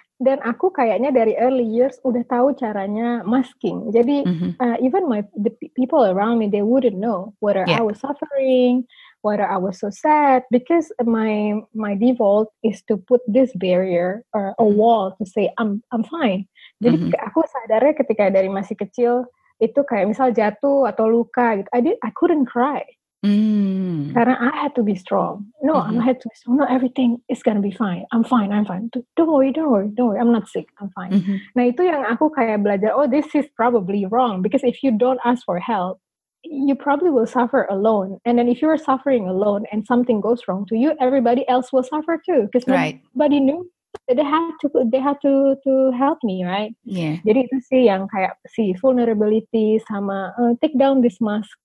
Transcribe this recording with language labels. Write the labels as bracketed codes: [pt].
[id] Dan aku kayaknya dari early years udah tahu caranya masking. [en] Jadi even the people around me, they wouldn't know whether I was suffering, whether I was so sad, because my default is to put this barrier or a wall to say I'm fine. [id] Jadi aku sadarnya ketika dari masih kecil itu kayak misal jatuh atau luka gitu, [en] I couldn't cry. Karena I had to be strong. No, I had to be strong. No, everything is gonna be fine. I'm fine. Don't worry. I'm not sick. I'm fine. [id] Nah, itu yang aku kayak belajar. [en] Oh, this is probably wrong, because if you don't ask for help, you probably will suffer alone. And then if you are suffering alone and something goes wrong to you, everybody else will suffer too. Because nobody knew. They had to help me, right? Yeah. [id] Jadi itu sih yang kayak si vulnerability sama [en] take down this mask.